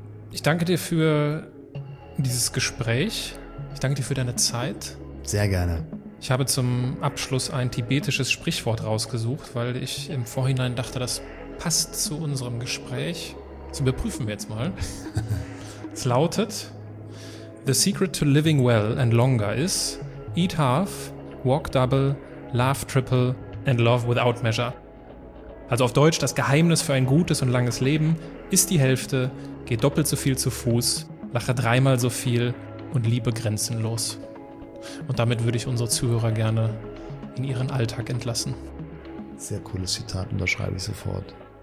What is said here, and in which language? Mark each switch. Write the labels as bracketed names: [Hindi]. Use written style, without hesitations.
[German] Ich danke dir für dieses Gespräch. Ich danke dir für deine Zeit. Sehr gerne. Ich habe zum Abschluss ein tibetisches Sprichwort rausgesucht, weil ich im Vorhinein dachte, das passt zu unserem Gespräch. Das überprüfen wir jetzt mal. Es lautet: [English] The secret to living well and longer is eat half, walk double, laugh triple and love without measure. [German] Also auf Deutsch: Das Geheimnis für ein gutes und langes Leben ist die Hälfte, geh doppelt so viel zu Fuß, lache dreimal so viel und liebe grenzenlos. Und damit würde ich unsere Zuhörer gerne in ihren Alltag entlassen. Sehr cooles Zitat, unterschreibe ich sofort.